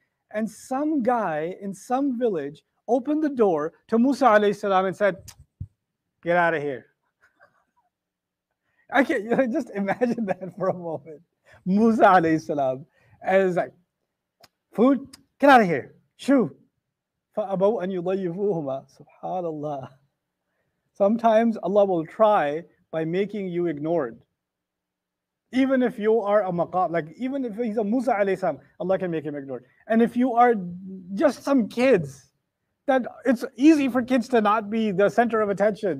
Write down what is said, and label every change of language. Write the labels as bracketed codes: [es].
[en] And some guy in some village opened the door to Musa alayhi salam and said, "Get out of here." I can't, you know, just imagine that for a moment. Musa alayhi salam, and it's like, "Food, get out of here. Shoo." [ar] فَأَبَوْا أَنْ يُضَيِّفُوهُمَا SubhanAllah. [en] Sometimes Allah will try by making you ignored. Even if you are a maqam, like even if he's a Musa alayhi salam, Allah can make him ignored. And if you are just some kids, that it's easy for kids to not be the center of attention.